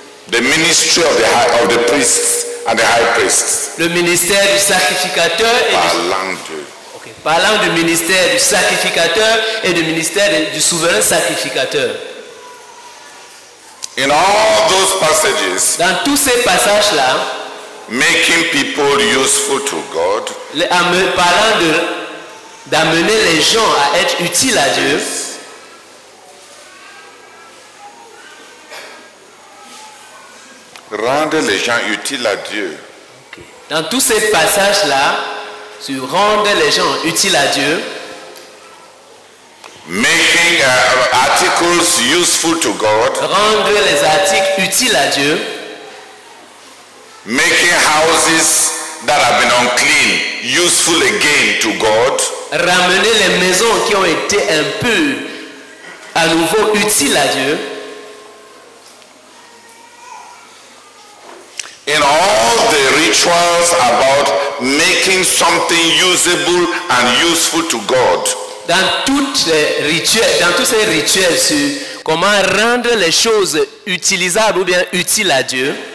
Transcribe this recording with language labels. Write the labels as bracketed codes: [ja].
[en] The ministry of the priests and the high priests. [fr] Le ministère du sacrificateur et parlant du ministère du sacrificateur et du ministère du souverain sacrificateur. [en] In all those passages, [fr] dans tous ces passages-là, [en] making people useful to God, [fr] parlant de, d'amener les gens à être utiles à Dieu, rendre les gens utiles à Dieu. Dans tous ces passages-là, tu rendais les gens utiles à Dieu. [en] Making articles useful to God. [fr] Rendre les articles utiles à Dieu. [en] Making houses that have been unclean useful again to God. [fr] Ramener les maisons qui ont été impures à nouveau utiles à Dieu. [en] In all the rituals about making something usable and useful to God. [fr] Dans toutes les rituels, dans tous ces rituels sur comment rendre les choses utilisables ou bien utiles à Dieu.